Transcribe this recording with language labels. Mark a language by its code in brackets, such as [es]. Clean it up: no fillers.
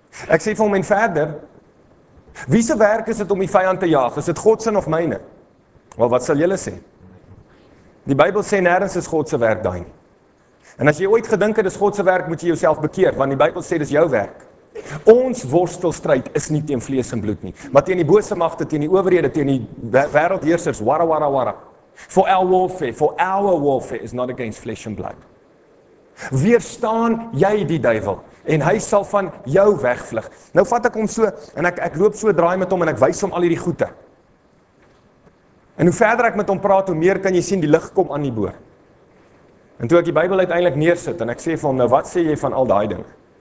[af] Ek sê vir hom en verder, wie se werk is dit om die vyand te jaag? Is dit God se of myne? Wel, wat sal julle sê? Die Bybel sê nêrens is God se werk daai nie. En as jy ooit gedink het dis God se werk, moet jy jouself bekeer, want die Bybel sê dis jou werk. Ons worstelstryd is nie teen vlees en bloed nie, maar teen die bose magte, teen die owerhede, teen die wêreldheersers, wara wara wara. [en] For our warfare, is not against flesh and blood. [af] Weerstaan jy die duivel, en hy sal van jou wegvlug. Nou vat ek hom so, en ek loop so draai met hom, en ek wys hom al hierdie goeie. En hoe verder ek met hom praat, hoe meer kan jy sien die lig kom aan die boor. En toe ek die Bybel uiteindelik neersit, en ek sê vir hom, nou wat sê jy van al die dinge?